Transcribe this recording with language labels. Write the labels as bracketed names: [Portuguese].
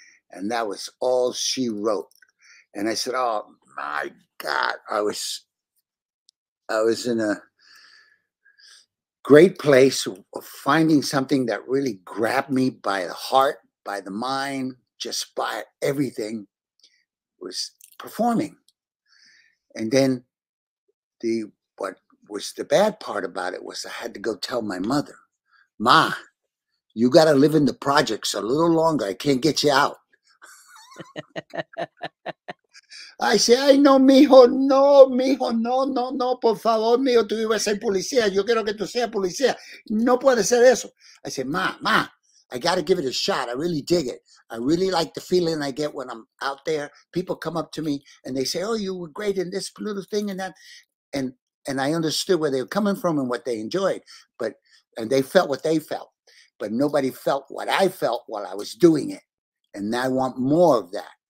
[English] And that was all she wrote. And I said, oh, my God, I was in a great place of finding something that really grabbed me by the heart, by the mind, just by everything, was performing. And then what was the bad part about it was I had to go tell my mother, Ma, you got to live in the projects a little longer. I can't get you out. I say, [Spanish] ay, no, mijo, no, por favor, mijo, tú ibas a ser policía, yo quiero que tú seas policía, no puede ser eso. [English] I say, ma, I got to give it a shot, I really dig it. I really like the feeling I get when I'm out there, people come up to me and they say, oh, you were great in this little thing and that, and I understood where they were coming from and what they enjoyed, and they felt what they felt, but nobody felt what I felt while I was doing it, and I want more of that.